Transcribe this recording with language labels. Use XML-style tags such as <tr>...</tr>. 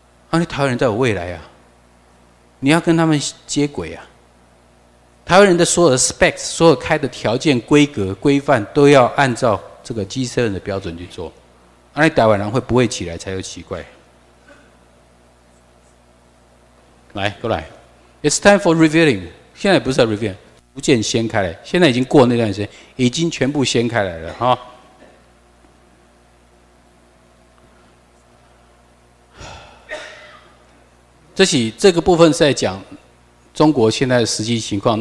<zh>啊，你台湾人在有未来啊，你要跟他们接轨啊。台湾人的所有的 specs、所有开的条件、规格、规范，都要按照这个 G7 的标准去做。那台湾人会不会起来才有奇怪？来，过来</zh> <en>，It's time for revealing。</en> <zh>现在不是 revealing， 逐渐掀开了。现在已经过那段时间，已经全部掀开来了哈。这个部分是在讲中国现在的实际情况。</zh>